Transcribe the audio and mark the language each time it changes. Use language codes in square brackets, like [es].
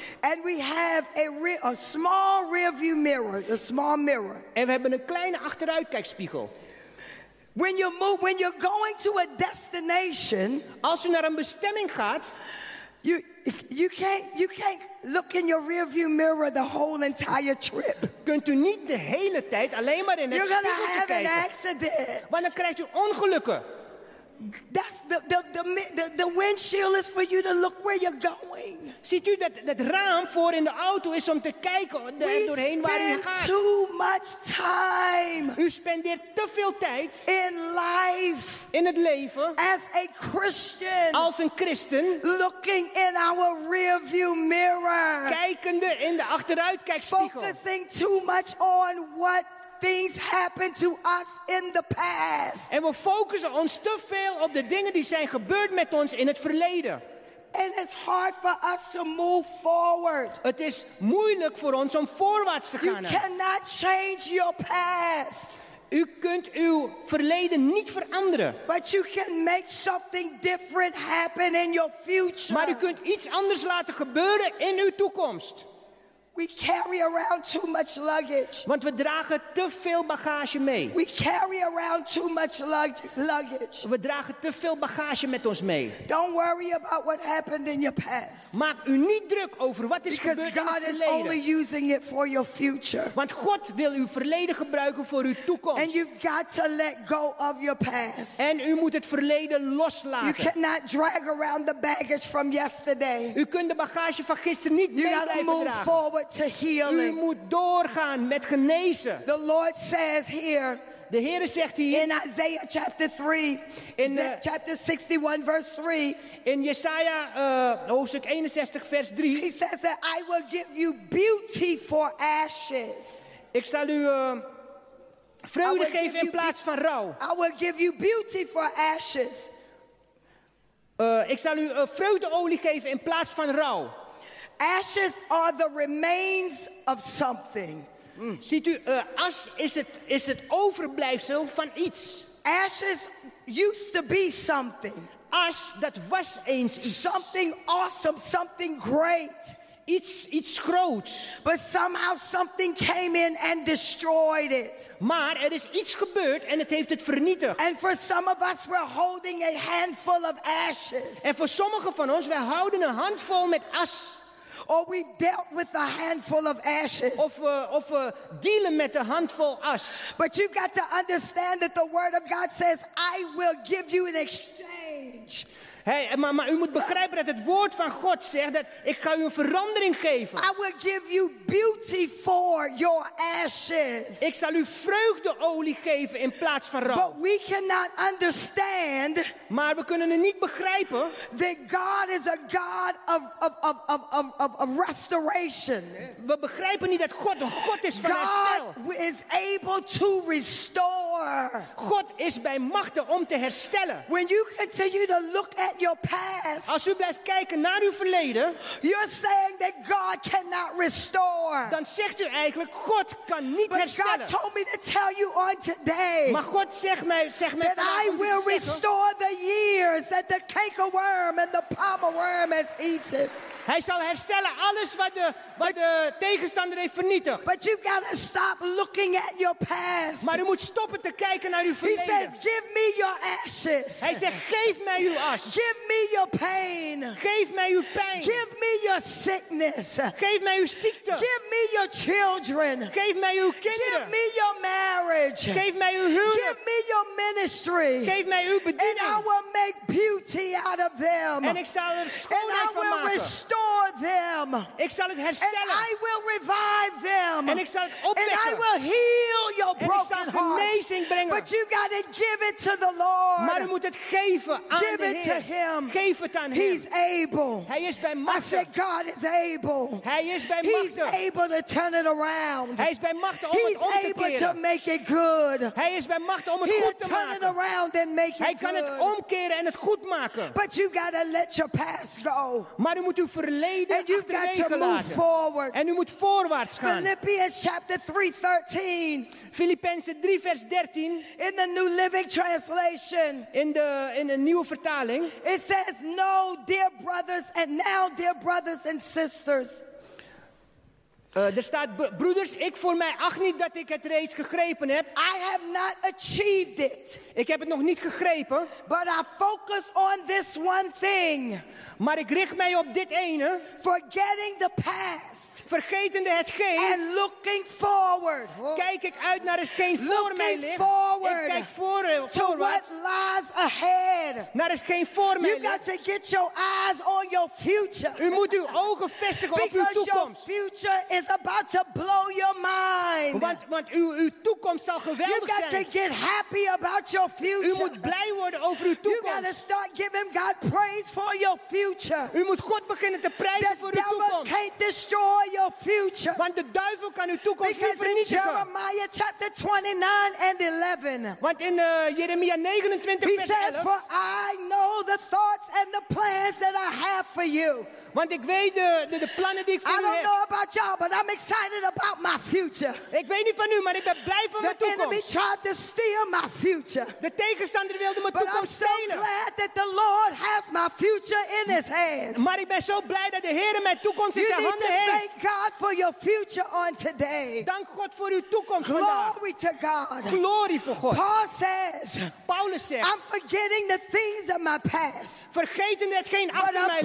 [en] And we have a small rearview mirror, a small mirror. [nl] En we hebben een kleine achteruitkijkspiegel. [en] When you're going to a destination, [nl] als u naar een bestemming gaat, [en] you can't look in your rearview mirror the whole entire trip. [nl] Kunt u niet de hele tijd alleen maar in het spiegeltje kijken. [en] You're gonna have an accident. [nl] Want dan krijgt u ongelukken. [en] That's the windshield is for you to look where you're going. [nl] Ziet u dat raam voor in de auto is om te kijken doorheen waar u gaat. [en] We spend too much time. [nl] U spendeert te veel tijd. [en] In life. [nl] In het leven. [en] As a Christian. [nl] Als een christen. [en] Looking in our rearview mirror. [nl] Kijkende in de achteruitkijkspiegel. [en] Focusing too much on what things happened to us in the past. [nl] En we focussen ons te veel op de dingen die zijn gebeurd met ons in het verleden. [en] And it's hard for us to move forward. [nl] Het is moeilijk voor ons om voorwaarts te gaan. [en] You cannot change your past. [nl] U kunt uw verleden niet veranderen. [en] But you can make something different happen in your future. [nl] Maar u kunt iets anders laten gebeuren in uw toekomst. [en] We carry around too much luggage. [nl] Want we dragen te veel bagage mee. [en] We carry around too much luggage. [nl] We dragen te veel bagage met ons mee. [en] Don't worry about what happened in your past. [nl] Maak u niet druk over wat is gebeurd in het verleden. [en] Because God is only using it for your future. [nl] Want God wil uw verleden gebruiken voor uw toekomst. [en] And you've got to let go of your past. [nl] En u moet het verleden loslaten. [en] You cannot drag around the baggage from yesterday. [nl] U kunt de bagage van gisteren niet mee blijven dragen. [en] You gotta move forward. To healing. [nl] U moet doorgaan met genezen. [en] The Lord says here. [nl] De Heere zegt hier. [en] In Isaiah chapter 3. In chapter 61 verse 3. [nl] In Jesaja hoofdstuk 61 vers 3. [en] He says that I will give you beauty for ashes. [nl] Ik zal u vreugde geven in plaats van rouw. [en] I will give you beauty for ashes. [nl] Ik zal u vreugdeolie geven in plaats van rouw. [en] Ashes are the remains of something. [nl] Ziet u, as is het overblijfsel van iets. [en] Ashes used to be something. [nl] As, dat was eens iets. [en] Something awesome, something great. [nl] Iets groots. [en] But somehow something came in and destroyed it. [nl] Maar er is iets gebeurd en het heeft het vernietigd. [en] And for some of us we're holding a handful of ashes. [nl] En voor sommigen van ons, wij houden een handvol met as. [en] Or we've dealt with a handful of ashes. [nl] Of we dealen met een handvol as. [en] But you've got to understand that the word of God says, I will give you an exchange. [nl] Hey, maar u moet begrijpen dat het woord van God zegt dat ik ga u een verandering geven. [en] I will give you beauty for your ashes. [nl] Ik zal u vreugdeolie geven in plaats van rouw. [en] But we cannot understand. [nl] Maar we kunnen het niet begrijpen. [en] That God is a God of restoration. [nl] We begrijpen niet dat God een God is van [en] God [nl] herstel. [en] God is able to restore. [nl] God is bij machten om te herstellen. [en] When you continue to look at your past. [nl] Als u blijft kijken naar uw verleden, [en] you're saying that God cannot restore. [nl] Dan zegt u eigenlijk God kan niet [en] but [nl] herstellen. [en] God told me to tell you on today. [nl] Maar God zegt mij [en] that I will restore the years that the cankerworm and the palmer worm has eaten. [nl] Hij zal herstellen alles wat de tegenstander heeft vernietigd. [en] But you gotta stop looking at your past. [nl] Maar u moet stoppen te kijken naar uw verleden. [en] He says, give me your ashes. [nl] Hij zegt, geef mij uw as. [en] Give me your pain. [nl] Geef mij uw pijn. [en] Give me your sickness. [nl] Geef mij uw ziekte. [en] Give me your children. [nl] Geef mij uw kinderen. [en] Give me your marriage. [nl] Geef mij uw huwelijk. [en] Give me your ministry. [nl] Geef mij uw bediening. [en] And I will make beauty out of them. [nl] En ik zal er schoonheid van maken. [en] Restore them. [nl] Ik zal het herstellen. [en] And I will revive them. [nl] En ik zal het opwekken. [en] And I will heal your broken heart. [nl] En ik zal genezing brengen. [en] But you got to give it to the Lord. [nl] Maar u moet het geven aan [en] give [nl] de Heer. [en] Give it to him. [nl] Geef het aan [en] He's [nl] hem. [en] Able. [nl] Hij is bij machten. [en] I said God is able. [nl] Hij is bij [en] He's [nl] machten. [en] Able to turn it around. [nl] Hij is bij machten om [en] He's [nl] het om te keren. [en] He's able to make it good. [nl] Hij is bij machten om het [en] He'll [nl] goed te [en] turn [nl] maken. [en] It around and make it [nl] Hij [en] good. [nl] Kan het omkeren en het goed maken. [en] But you got to let your past go. [nl] Maar u moet uw verleden achterwege laten. En u moet voorwaarts gaan. [en] Philippians chapter 3:13. [nl] Filippenzen 3 vers 13. [en] In the New Living Translation. [nl] In de nieuwe vertaling. [en] It says, "No, dear brothers, and now, dear brothers and sisters." [nl] Er staat, broeders, ik voor mij acht niet dat ik het reeds gegrepen heb. [en] I have not achieved it. [nl] Ik heb het nog niet gegrepen. [en] But I focus on this one thing. [nl] Maar ik richt mij op dit ene. [en] Forgetting the past. [nl] Vergetende hetgeen. [en] And looking forward. [nl] Kijk ik uit naar hetgeen [en] looking [nl] voor mij ligt. [en] Forward. [nl] Ik kijk voorwaarts. [en] To what lies ahead. [nl] Naar hetgeen voor mij [en] you [nl] ligt. [en] You got to get your eyes on your future. [nl] U moet uw ogen vestigen [en] because [nl] op uw toekomst. [en] Your future is is about to blow your mind. [nl] Want uw toekomst zal geweldig zijn. [en] You got to get happy about your future. [nl] U moet blij worden over uw toekomst. [en] You got to start giving God praise for your future. [nl] U moet God beginnen te prijzen voor uw toekomst. [en] The devil can't destroy your future. [nl] Want de duivel kan uw toekomst niet vernietigen. [en] Because in Jeremiah chapter 29 and 11. [nl] Want in Jeremia 29 vers 11. [en] He says, for I know the thoughts and the plans that I have for you. [nl] Want ik weet de plannen die ik voor u heb. [en] I don't know about y'all, but I'm excited about my future. [nl] Ik weet niet van u, maar ik ben blij van mijn toekomst. [en] The enemy tried to steal my future. [nl] De tegenstander wilde mijn toekomst stelen. [en] But I'm so glad that the Lord has my future in his hands. [nl] Maar ik ben zo blij dat de Heer mijn toekomst in zijn handen heeft. [en] You need to thank God for your future on today. [nl] Dank God voor uw toekomst [en] Glory [nl] vandaag. [en] Glory to God. [nl] Glory voor God. Paulus zegt. [en] I'm forgetting the things of my past. [nl] Vergeten hetgeen achter mij ligt.